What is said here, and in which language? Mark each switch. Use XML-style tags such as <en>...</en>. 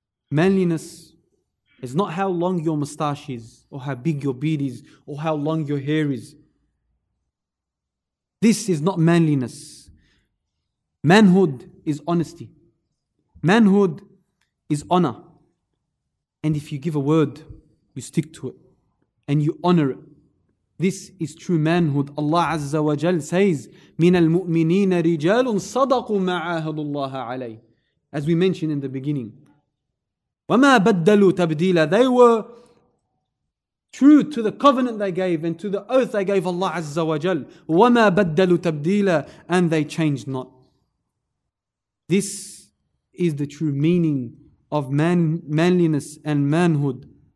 <en>Manliness is not how long your moustache is, or how big your beard is, or how long your hair is. This is not manliness. Manhood is honesty. Manhood is honor. And if you give a word, you stick to it and you honor it. This is true manhood.</en> <ar>Allah Azza wa Jal says, مِنَ الْمُؤْمِنِينَ رِجَالٌ صَدَقُوا مَا عَاهَدُ اللَّهَ عَلَيْهِ.</ar> <en>As we mentioned in the beginning,</en> <ar>وَمَا بَدَّلُوا تَبْدِيلًا.</ar> <en>They were true to the covenant they gave and to the oath they gave Allah Azza wa Jal.</en> <ar>وَمَا بَدَّلُوا تَبْدِيلًا.</ar> <en>And they changed not. This is the true meaning of manliness and manhood.</en>